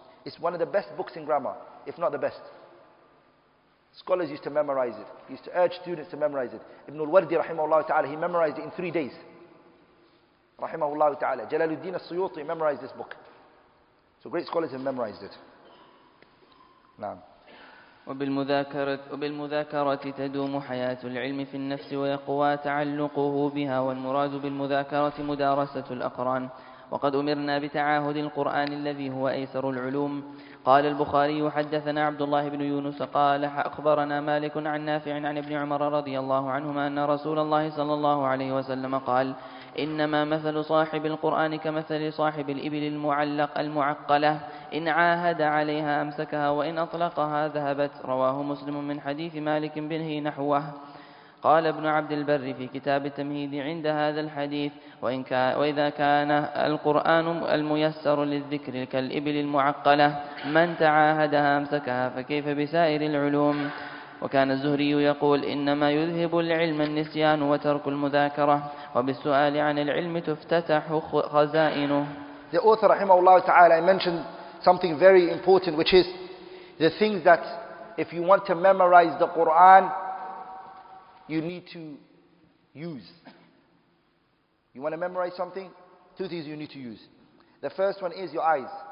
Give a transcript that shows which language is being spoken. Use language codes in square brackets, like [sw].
[en] It's one of the best books in grammar, if not the best. Scholars used to memorize it. Used to urge students to memorize it. Ibn al-Wardi, rahimahullah ta'ala, he memorized it in 3 days. Rahimahullah ta'ala. Jalaluddin al-Suyuti memorized this book. So great scholars have memorized it. [ar] نعم. وبالمذاكرة تدوم حياة العلم في النفس ويقوى تعلقه بها والمراد بالمذاكرة مدارسة الأقران وقد أمرنا بتعاهد القرآن الذي هو أيسر العلوم قال البخاري حدثنا عبد الله بن يونس قال أخبرنا مالك عن نافع عن ابن عمر رضي الله عنهما أن رسول الله صلى الله عليه وسلم قال إنما مثل صاحب القرآن كمثل صاحب الإبل المعلق المعقلة إن عاهد عليها أمسكها وإن أطلقها ذهبت رواه مسلم من حديث مالك بنه نحوه قال ابن عبد البر في كتاب التمهيد عند هذا الحديث وإذا كان القرآن الميسر للذكر كالإبل المعقلة من تعاهدها أمسكها فكيف بسائر العلوم وكان الزهري يقول إنما يذهب العلم النسيان وترك المذاكرة وبالسؤال عن العلم تفتتح خزائنه. [en] The author [ar] رحمه الله تعالى [en] mentioned something very important, which is the things that if you want to memorize the Quran, you need to use. You want to memorize something? 2 things you need to use. The first one is your eyes.